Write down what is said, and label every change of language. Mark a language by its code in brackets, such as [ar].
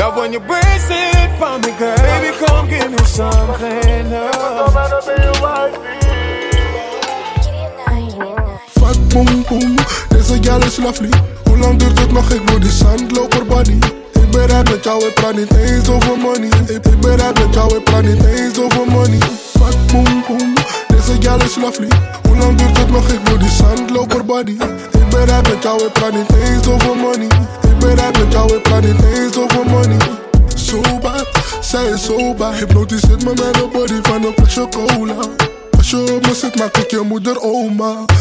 [en] Love when you brace it for me, girl. Baby, come give me something, oh. Fat boom boom, this a girl is lovely. [nl] Hoe lang duurt het nog, ik wil die sandloper body. Ik ben rap met jou, we praat niet eens over money. Ik ben rap met jou, we praat niet eens over money. [en] Fat boom boom, this a girl is lovely. [nl] Hoe lang duurt het nog, ik wil die sandloper body. Ik ben rap met jou, we praat niet eens over money. Ik ben rap met jou, we praat niet eens over money. So bad, zij is so bad. Hypnotiseert me met een body van een flesje cola. Als je op me zit, maak ik je moeder oma.